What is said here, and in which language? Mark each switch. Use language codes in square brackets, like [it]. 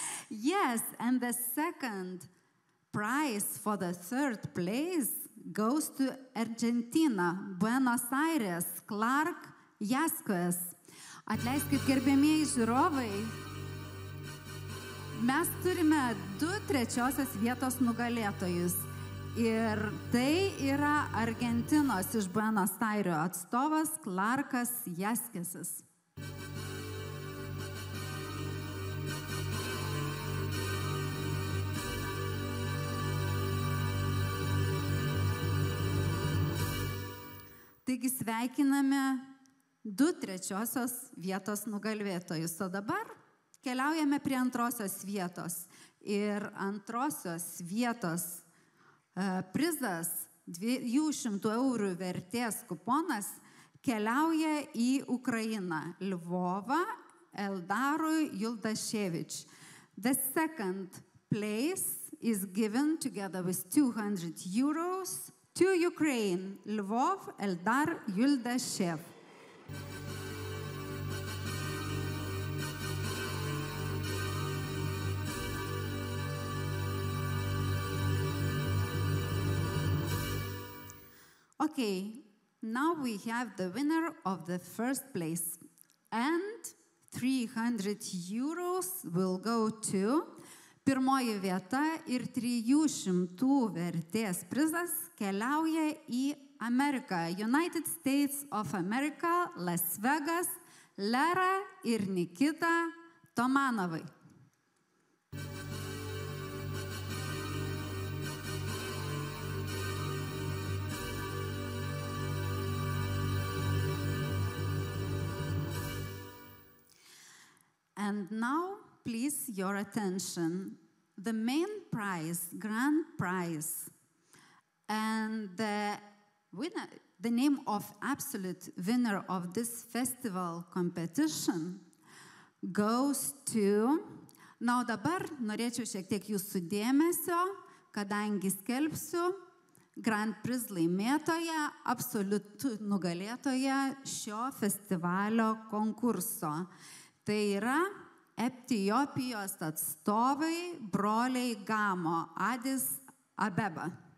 [en] Yes, and the second prize for the third place goes to Argentina, Buenos Aires, Clark Jaskas. [lt] Atleiskit, gerbiamieji žiūrovai, mes turime du trečiosios vietos nugalėtojus. Ir tai yra Argentinos iš Buenos Airių atstovas Clarkas Jaskasis. Taigi sveikiname du trečiosios vietos nugalėtojus. O dabar keliaujame prie antrosios vietos. Ir antrosios vietos prizas 200 eurų vertės kuponas keliauja į Ukrainą. Lvovą Eldarui Juldaševič. [en] The second place is given together with 200 euros to Ukraine, Lvov Eldar Juldashev. Okay, now we have the winner of the first place. And 300 euros will go to [lt] pirmoji vieta ir 300 vertės prizas keliauja į Ameriką, United States of America, Las Vegas, Lera ir Nikita Tomanovai. [en] And now, please, your attention. The main prize, grand prize, and the winner, the name of absolute winner of this festival competition goes to. [lt] Na, o dabar norėčiau šiek tiek jūsų dėmesio, kadangi skelbsiu grand prize laimėtoją, absoliutų nugalėtoją šio festivalio konkurso. Tai yra Etiopijos atstovai broliai Gamo Addis Abeba.